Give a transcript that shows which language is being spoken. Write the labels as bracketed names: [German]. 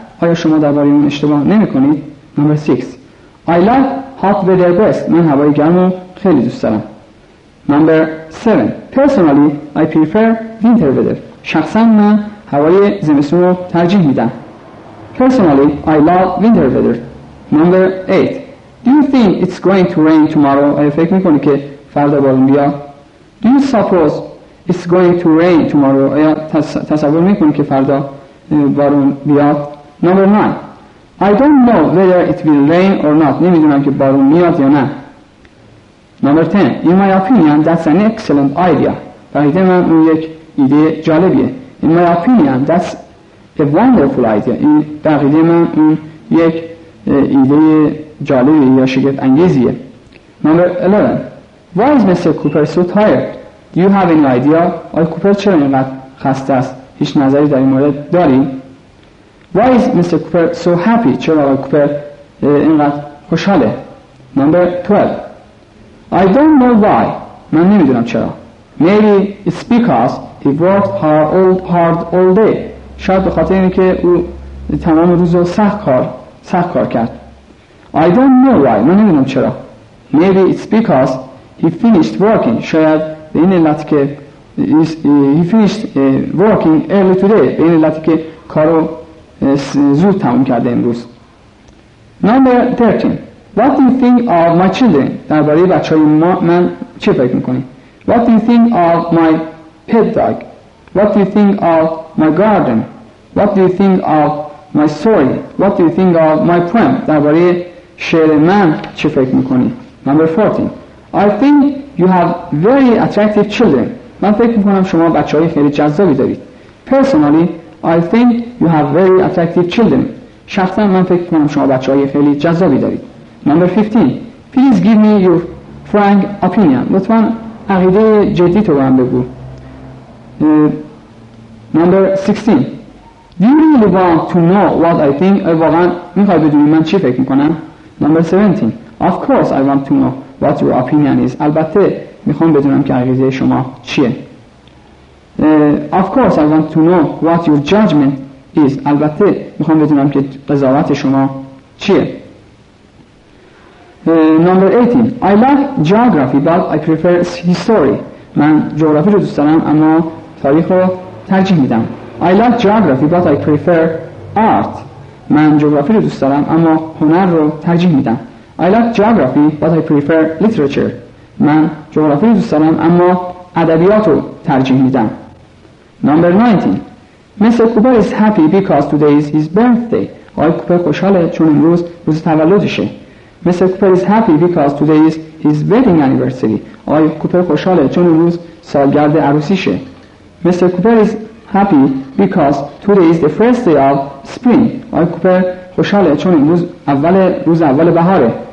[Persian] آیا شما درباره اون اشتباه نمیکنید. [English] Number 6. I like hot weather best. [Persian] من هوای گرم رو خیلی دوست دارم. [English] Number 7. Personally, I prefer winter weather. [Persian] شخصا من هوای زمستون رو ترجیح میدم. [English] Personally, I love winter weather. Number 8. Do you think it's going to rain tomorrow? [Persian] آیا فکر میکنی که فردا بارون بیاد؟ [English] Do you suppose it's going to rain tomorrow? [Persian] آیا تصور میکنی که فردا بارون بیاد؟ [English] Number 9. I don't know whether it will rain or not. [Persian] نمیدونم که بارون میاد یا نه. [English] Number 10. In my opinion, that's an excellent idea. [Persian] برای من اون یک ایده جالبیه. [English] In my opinion, that's a wonderful idea. [Persian] این برای من اون یک ایده جالبی یا شگفت انگیزیه. [English] Number 11. Why is Mr. Cooper so tired? Do you have any idea? [Persian] آیا کوپر چرا اینقدر خسته است؟ هیچ نظری در این مورد داری؟ [English] Why is Mr. Cooper so happy? [Persian] چرا آقای کوپر اینقدر خوشحاله؟ [English] Number 12. I don't know why. [Persian] من نمیدونم چرا. [English] Maybe it's because he worked hard all day. [Persian] شاید به خاطر اینکه او تمام روز رو سخت کار کرد. [English] I don't know why. [Persian] من نمیدونم چرا. [English] Maybe it's because he finished working. [Persian] شاید به این علت که [English] he finished working early today. [Persian] به این علت که کارو زود تموم کرده امروز. [English] Number 13. What do you think of my children? [Persian] درباره بچه های من چه فکر میکنی؟ [English] What do you think of my pet dog? What do you think of my garden? What do you think of my story? What do you think of my poem? [Persian] درباره شعر من چه فکر میکنی؟ [English] Number 14. I think you have very attractive children. [Persian] من فکر میکنم شما بچه های خیلی جذابی دارید. [English] Personally, I think you have very attractive children. [Persian] شخصا من فکر میکنم شما بچه های خیلی جذابی دارید. [English] Number 15. Please give me your frank opinion. [Persian] لطفا عقیده جدی تو هم بگو. [English] Number 16. Do you really want to know what I think? [Persian] واقعا میخوای بدونی من چی فکر میکنم؟ [English] Number 17. Of course I want to know what your opinion is. [Persian] البته میخوام بدونم که عقیده شما چیه. [English] Of course I want to know what your judgment is. [Persian] البته میخوام بدونم که قضاوت شما چیه. [English] Number 18. I love geography but I prefer history. [Persian] من جغرافی رو دوست دارم اما تاریخ رو ترجیح میدم. [English] I like geography but I prefer art. [Persian] من جغرافی رو دوست دارم اما هنر رو ترجیح میدم. [English] I like geography but I prefer literature. [Persian] من جغرافی رو دوست دارم اما ادبیات رو ترجیح میدم. [English] Number 19. Mr. Cooper is happy because today is his birthday. [Persian] آقای کوپر خوشحاله چون امروز روز تولدشه. Mr. [English] Cooper is happy because today is his wedding anniversary. [Persian] آقای کوپر خوشحاله چون امروز سالگرد عروسیشه. [English] Mr. Cooper is happy because today is the first day of spring. [Persian] آقای کوپر خوشحاله چون امروز اول روز اول بهاره.